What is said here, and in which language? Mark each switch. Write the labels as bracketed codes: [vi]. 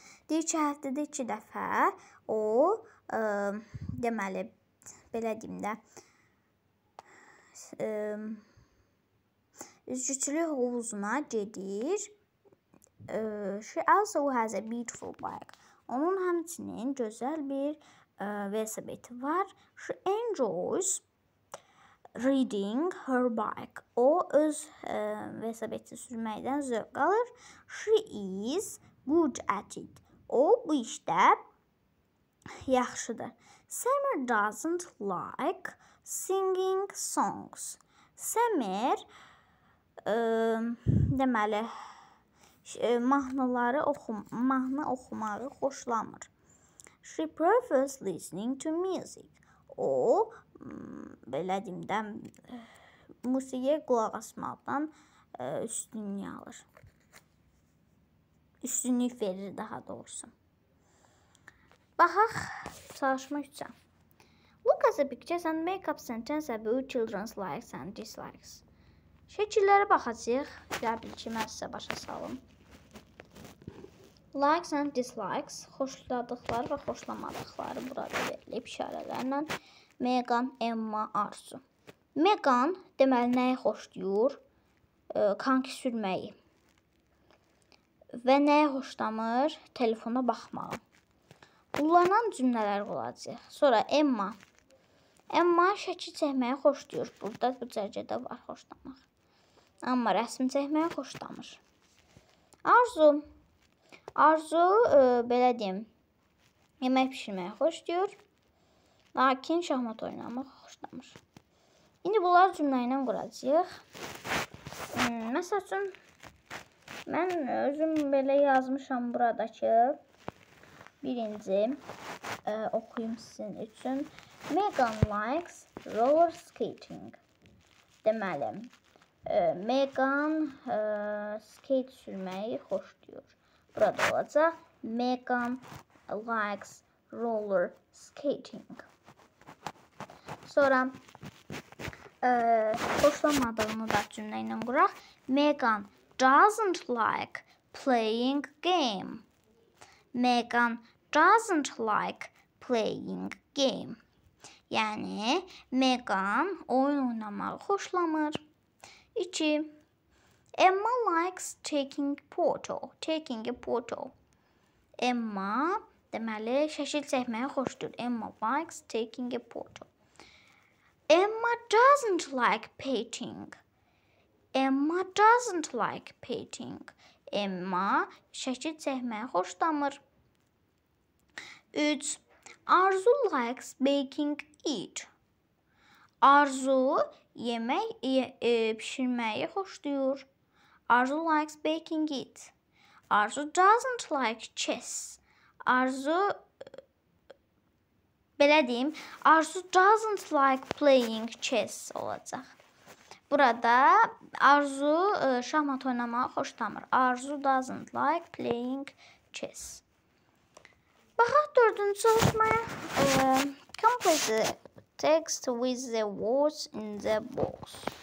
[az] Deyir ki, həftədə iki dəfə o, deməli, belə deyim də, üzücülük hovuzuna gedir. [en] She also has a beautiful bike. [az] Onun həmçinin gözəl bir velosipedi var. [en] She enjoys riding her bike. [az] O öz velosipedini sürməkdən zövq alır. [en] She is good at it. [az] O bu işdə yaxşıdır. [en] Summer doesn't like singing songs. [az] Summer deməli mahnı oxumağı xoşlamır. [en] She prefers listening to music. [az] O, belə deyim də, musiqiyə qulaq asmaqdan üstünlük alır. Üstünlük verir daha doğrusu. Baxaq, çalışmaq üçün. [en] Look at the pictures and make up sentences about children's likes and dislikes. [az] Şəkillərə baxacaq. Gəl bil ki, mən sizə başa salım. [en] Likes and dislikes. [az] Xoşladıqları və xoşlamadıqları burada verilib işarələrlə. Megan, Emma, Arzu. Megan deməli nəyi xoşlayır? Kanki sürməyi. Və nəyi xoşlamır? Telefona baxmağı. Qullanan cümlələr olacaq. Sonra Emma. Emma şəkil çəkməyi xoşlayır. Burada bu cərgədə var xoşlamaq. Amma rəsm çəkməyi xoşlamır. Arzu. Arzu, belə deyim, yemək pişirməyi xoşlayır. Lakin şahmat oynamaq xoşlamır. İndi bunları cümlə ilə quracaq. Məsəl üçün, mən özüm belə yazmışam buradakı. Birinci, oxuyum sizin üçün. [en] Megan likes roller skating. [az] Deməli, Megan skate sürməyi xoşlayır. Burada olacaq. [en] Megan likes roller skating. [az] Sonra xoşlamadığını da cümlə ilə quraq. [en] Megan doesn't like playing game. Megan doesn't like playing game. [az] Yəni, Megan oyun oynamağı xoşlamır. 2. [en] Emma likes taking photo. Taking a photo. [az] Emma, deməli, şəkil çəkməyi xoşdur. [en] Emma likes taking a photo. Emma doesn't like painting. Emma doesn't like painting. [az] Emma şəkil çəkməyi xoşlamır. 3. [en] Arzu likes baking it. [az] Arzu yemək pişirməyi xoşlayır. [en] Arzu likes baking it. Arzu doesn't like chess. Arzu [az] belə deyim, [en] Arzu doesn't like playing chess [az] olacaq. Burada Arzu şahmat oynamağı xoşlamır. [en] Arzu doesn't like playing chess. [az] Baxaq dördüncü çalışmaya. [en] Complete the text with the words in the box.